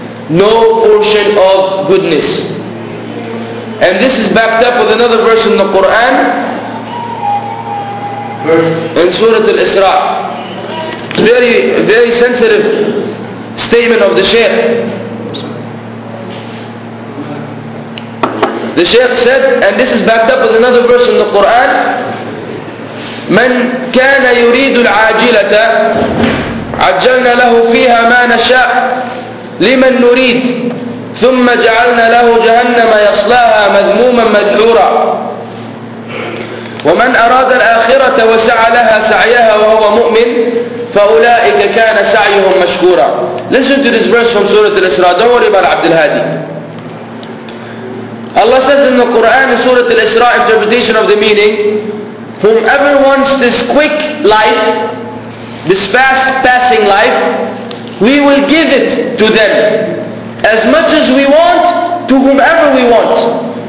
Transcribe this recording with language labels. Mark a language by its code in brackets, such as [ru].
[en] No portion of goodness. And this is backed up with another verse in the Quran. Verse in Surah Al-Isra. Very, very sensitive statement of the Shaykh. The Shaykh said, and this is backed up with another verse in the Quran, [ar] من كان يريد العاجلة عجلنا له فيها ما نشاء لمن نريد ثم جعلنا له جهنم يصلاها مذموما مدحورا ومن أراد الآخرة وسعى لها سعيها وهو مؤمن فأولئك كان سعيهم مشكورا. [en] Listen to this verse from Surah Al-Isra. Don't worry about Abdul Hadi. Allah says in the Quran, Surah Al-Isra, interpretation of the meaning, whomever wants this quick life, this fast passing life, we will give it to them as much as we want, to whomever we want.